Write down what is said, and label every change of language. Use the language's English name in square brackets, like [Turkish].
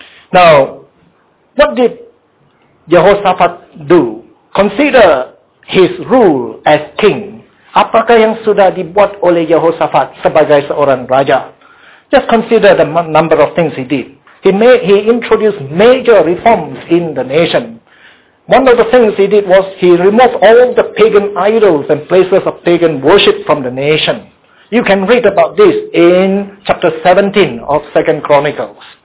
[English] Now, what did Yehoshaphat do? Consider his rule as king. [Malay] Apakah yang sudah dibuat oleh Yehoshaphat sebagai seorang raja? [English] Just consider the number of things he did. He introduced major reforms in the nation. One of the things he did was he removed all the pagan idols and places of pagan worship from the nation. You can read about this in chapter 17 of 2 Chronicles.